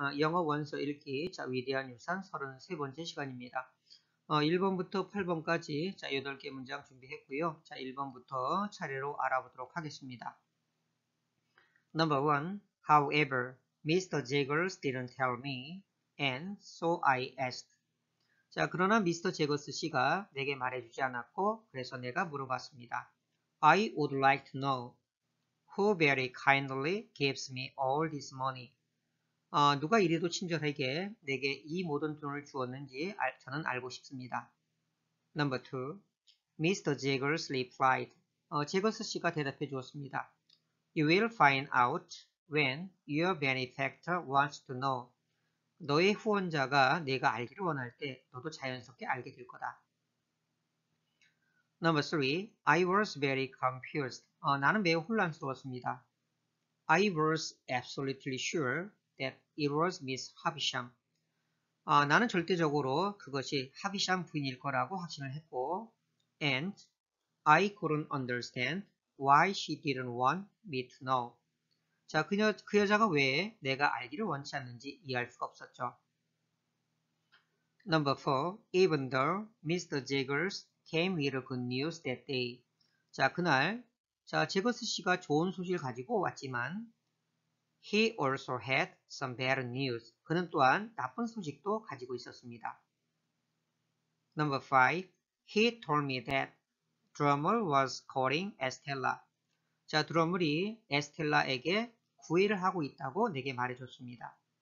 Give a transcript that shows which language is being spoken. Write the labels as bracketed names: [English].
[Korean] 영어 원서 읽기, 자, 위대한 유산 33번째 시간입니다. 1번부터 8번까지 자, 8개 문장 준비했고요. 자, 1번부터 차례로 알아보도록 하겠습니다. [English] Number 1. However, Mr. Jaggers didn't tell me, and so I asked. [Korean] 자, 그러나 미스터 제거스 씨가 내게 말해주지 않았고, 그래서 내가 물어봤습니다. [English] I would like to know. Who very kindly gives me all this money? [Korean] 누가 이리도 친절하게 내게 이 모든 돈을 주었는지 저는 알고 싶습니다. [English] Number 2. Mr. Jaggers replied. [Korean] 제거스 씨가 대답해 주었습니다. [English] You will find out when your benefactor wants to know. [Korean] 너의 후원자가 내가 알기를 원할 때 너도 자연스럽게 알게 될 거다. [English] Number 3. I was very confused. [Korean] 나는 매우 혼란스러웠습니다. [English] I was absolutely sure that it was Miss Havisham. [Korean] 나는 절대적으로 그것이 하비샴 부인일 거라고 확신을 했고, [English] and I couldn't understand why she didn't want me to know. [Korean] 자, 그 여자가 왜 내가 알기를 원치 않는지 이해할 수가 없었죠. [English] Number 4. Even though Mr. Jaggers came with good news that day. [Korean] 자, 그날, 자, 제거스 씨가 좋은 소식을 가지고 왔지만, [English] he also had some bad news. [Korean] 그는 또한 나쁜 소식도 가지고 있었습니다. [English] Number 5. He told me that Drummer was calling Estella. [Korean] 자, 드러머이 에스텔라에게 구애를 하고 있다고 내게 말해줬습니다.